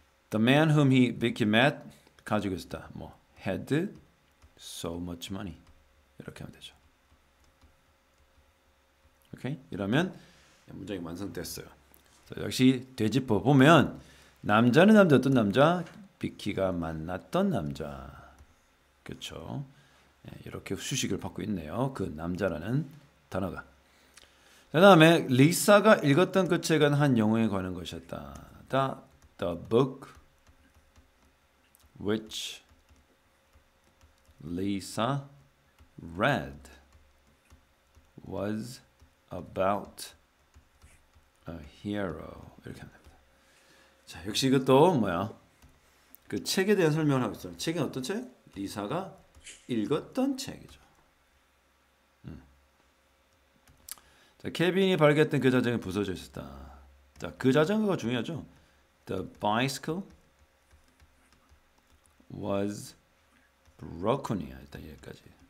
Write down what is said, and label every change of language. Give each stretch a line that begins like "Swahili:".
English: The man whom he Vicky met
Korean: 가지고 있었다.
English: 뭐 had so much money
Korean: 이렇게 하면 되죠. 오케이? 이러면 문장이 완성됐어요. 역시 되짚어 보면 남자는 남자 어떤 남자? 비키가 만났던 남자. 그렇죠? 이렇게 수식을 받고 있네요. 그 남자라는 단어가. 그다음에 리사가 읽었던 그 책은 한 영웅에 관한 것이었다.
English: The book which Lisa read was about a hero.
Korean: 이렇게 합니다. 자, 역시 이것도 뭐야? 그 책에 대한 설명을 하고 있어요. 책은 어떤 책? 리사가 읽었던 책이죠. 자, 케빈이 발견했던 그 자전거 부서져 있었다. 자, 그 자전거가 중요하죠.
English: The bicycle was broken.
Korean: 일단 여기까지.